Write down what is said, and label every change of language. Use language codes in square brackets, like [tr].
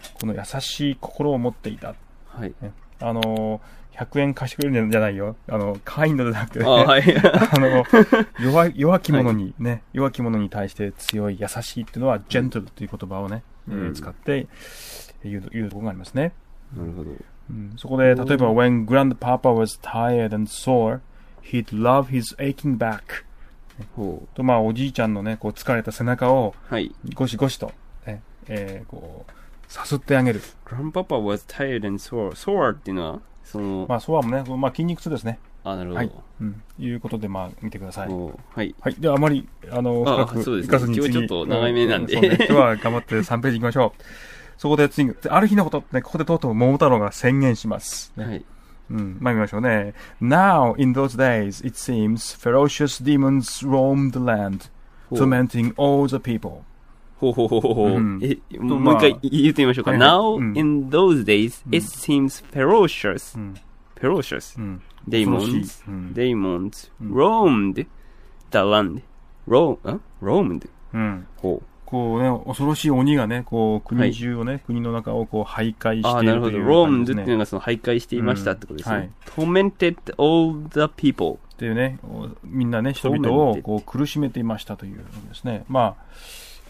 [ja] この優しい心を持っていた。はい。ね、100円貸してくれるんじゃないよ。カインドじゃなくて、ね。あ、はい。弱き者に、ね、はい、弱き者に対して強い、優しいっていうのは、gentle という言葉をね、使って言うところがありますね。なるほど。うん、そこで、例えば、 [en] when grandpapa was tired and sore,He'd love his aching back. [ja] と、まあ、おじいちゃんのね、こう、疲れた背中を、はい。ゴシゴシと、ね、こう、さすってあげる。 [en] Grandpapa was tired and sore. Sore [ja] っていうのは、その、まあ、sore もね、まあ、筋肉痛ですね。あ、なるほど。はい。うん。いうことで、まあ、見てください。はい。はい。では、あまり、深く聞かずに次、今日はちょっと長めなんで。そうね、今日は頑張って3ページ行きましょう。そこで次、ある日のこと、ね、ここでとうとう桃太郎が宣言します。ね、はい。うん、まあ見ましょうね。 [en] Now, in those days, it seems, ferocious demons roamed the land, tormenting all the people. [ja] ほうほうほうほう。うん、もう一回言ってみましょうか。 [en] まあ、Now, in those days, it seems ferocious,、ferocious demons,、demons roamed the land, roamed.、 [ja] うん、ほう。こうね、恐ろしい鬼がね、こう国中をね、はい、国の中をこう徘徊しているという感じですね。ローンズっていうのがその徘徊していましたってことですね。うん、はい、 [en] Tormented all the people [ja] っていうね、みんなね、人々をこう苦しめていましたというんですね。まあ、